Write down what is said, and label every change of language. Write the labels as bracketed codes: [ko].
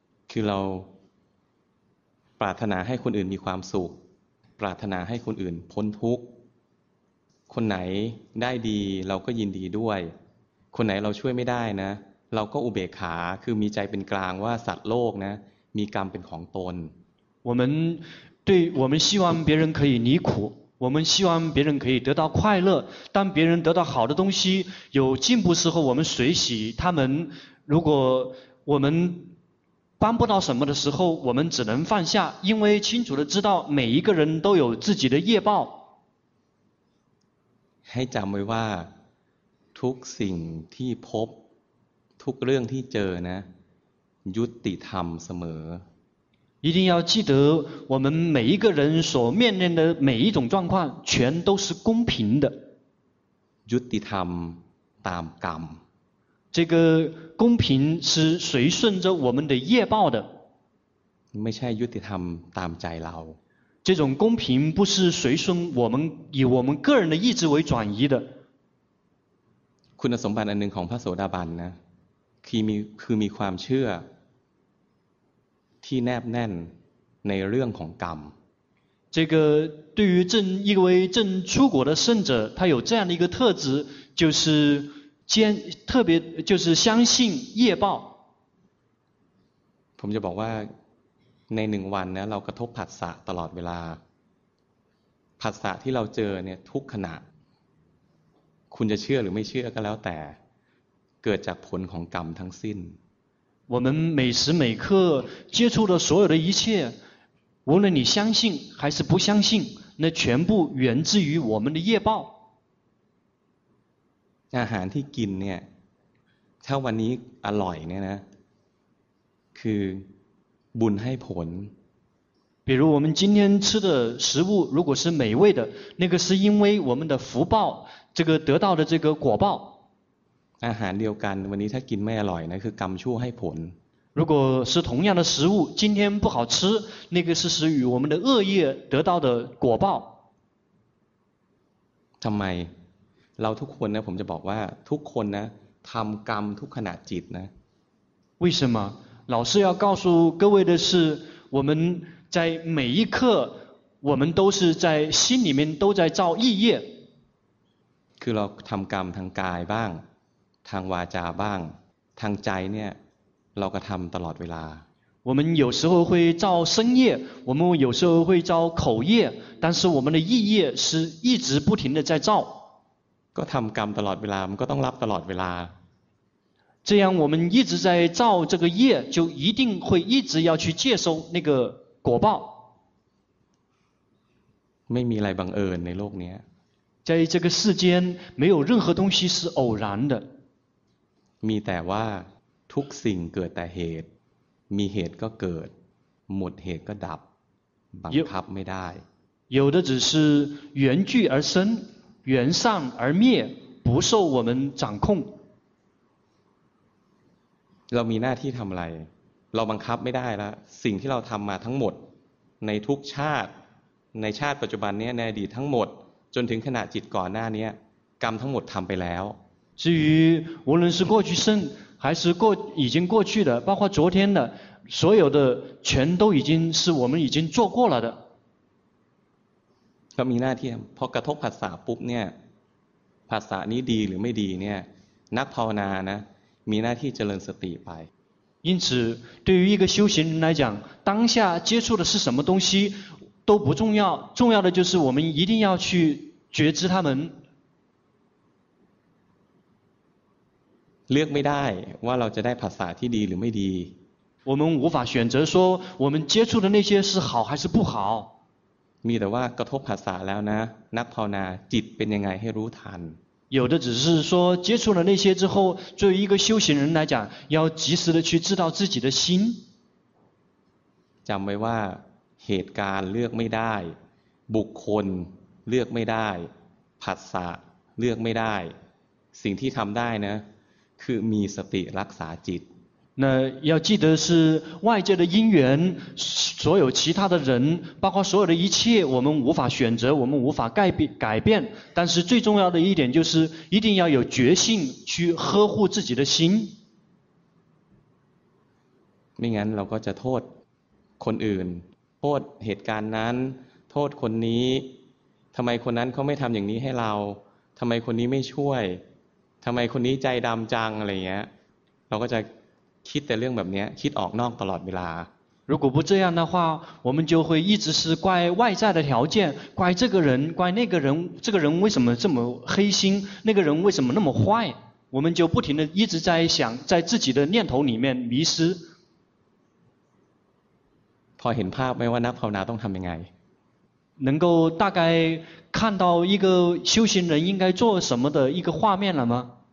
[th] คือเราปรารถนาให้คนอื่นมีความสุขปรารถนาให้คนอื่นพ้นทุกข์คนไหนได้ดีเราก็ยินดีด้วยคนไหนเราช่วยไม่ได้นะเราก็อุเบกขาคือมีใจเป็นกลางว่าสัตว์โลกนะมีกรรมเป็นของตน [zh] 我们对我们希望别人可以离苦我们希望别人可以得到快乐，当别人得到好的东西，有进步时候，我们随喜他们，如果我们帮不到什么的时候，我们只能放下，因为清楚地知道每一个人都有自己的业报。 [th] ให้จำไว้ว่าทุกสิ่งที่พบทุกเรื่องที่เจอนะยุติธรรมเสม [zh] อ一定要记得我们每一个人所面临的每一种状况全都是公平的 [th] ยุติธรรมตามกรรม [zh] 这个公平是随顺着我们的业报的 [th] ไม่ใช่ยุติธรรมตามใจเรา [zh] 这种公平不是随顺我们以我们个人的意志为转移的 [th] คุณสมบัติอันหนึ่งของพระโสดาบันนะคือมีความเชื่อที่แนบแน่นในเรื่องของกรรม [zh] 这个对于正一位正出果的圣者他有这样的一个特质就是坚特别就是相信业报 [th] ผมจะบอกว่าในหนึ่งวันนะเรากระทบผัสสะตลอดเวลาผัสสะที่เราเจอเนี่ยทุกขณะคุณจะเชื่อหรือไม่เชื่อก็แล้วแต่เกิดจากผลของกรรมทั้งสิ้น [zh] 我们每时每刻接触的所有的一切无论你相信还是不相信那全部源自于我们的业报 [th] อาหารที่กินเนี่ยถ้าวันนี้อร่อยเนี่ยนะคือบุญให้ผล [zh] 比如我们今天吃的食物如果是美味的那个是因为我们的福报这个得到的这个果报 [th] อาหารเดียวกันวันนี้ถ้ากินไม่อร่อยนะคือกรรมชั่วให้ผล [zh] 如果是同样的食物今天不好吃那个是属于我们的恶业得到的果报 [th] ทำไมเราทุกคนนะผมจะบอกว่าทุกคนนะทำกรรมทุกขณะจิตนะ [zh] 为什么老师要告诉各位的是我们在每一刻我们都是在心里面都在造意业 [th] คือเราทำกรรมทางกายบ้างทางวาจาบ้างทางใจเนี่ยเราก็ทำตลอดเวลา [zh] 我们有时候会造身业我们有时候会造口业但是我们的意业是一直不停的在造 [th] ก็ทำกรรมตลอดเวลามันก็ต้องรับตลอดเวลา [zh] 这样我们一直在造这个业就一定会一直要去接收那个果报 [th] ไม่มีอะไรบังเอิญในโลกนี้ [zh] 在这个世间没有任何东西是偶然的 [th] มีแต่ว่าทุกสิ่งเกิดแต่เหตุมีเหตุก็เกิดหมดเหตุก็ดับบังคับไม่ได้ [zh] 有的只是缘聚而生缘散而灭不受我们掌控 [th] เรามีหน้าที่ทำอะไรเราบังคับไม่ได้แล้วสิ่งที่เราทำมาทั้งหมดในทุกชาติในชาติปัจจุบันนี้ในอดีตทั้งหมดจนถึงขณะจิตก่อนหน้านี้กรรมทั้งหมดทำไปแล้ว [zh] 至于无论是过去生还是过已经过去的包括昨天的所有的全都已经是我们已经做过了的 [th] เรามีหน้าที่พอกระทบผัสสะปุ๊บเนี่ยผัสสะนี้ดีหรือไม่ดีเนี่ยนักภาวนานะมีหน้าที่เจริญสติไป [zh] 因此对于一个修行人来讲当下接触的是什么东西都不重要重要的就是我们一定要去觉知他们 [th] เลือกไม่ได้ว่าเราจะได้ผัสสะที่ดีหรือไม่ดี [zh] 我们无法选择说我们接触的那些是好还是不好 [th] มีแต่ว่ากระทบผัสสะแล้วนะนักภาวนาจิตเป็นยังไงให้รู้ทัน [zh] 有的只是说接触了那些之后作为一个修行人来讲要及时的去知道自己的心 [th] จำไว้ว่าเหตุการณ์เลือกไม่ได้บุคคลเลือกไม่ได้ผัสสะเลือกไม่ได้สิ่งที่ทำได้นะคือมีสติรักษาจิต [zh] 那要记得是外界的因缘所有其他的人包括所有的一切我们无法选择我们无法改变但是最重要的一点就是一定要有决心去呵护自己的心 [th] ไม่งั้นเราก็จะโทษคนอื่นโทษเหตุการณ์นั้นโทษคนนี้ทำไมคนนั้นเขาไม่ทำอย่างนี้ให้เราทำไมคนนี้ไม่ช่วยทำไมคนนี้ใจดำจังอะไรเงี้ยเราก็จะคิดแต่เรื่องแบบนี้คิดออกนอกตลอดเวลา [zh] 如果不这样的话，我们就会一直是怪外在的条件，怪这个人，怪那个人，这个人为什么这么黑心，那个人为什么那么坏，我们就不停地一直在想，在自己的念头里面迷失。 [th] พอเห็นภาพไหมว่านักภาวนาต้องทำยังไง [zh] 能够大概看到一个修行人应该做什么的一个画面了吗？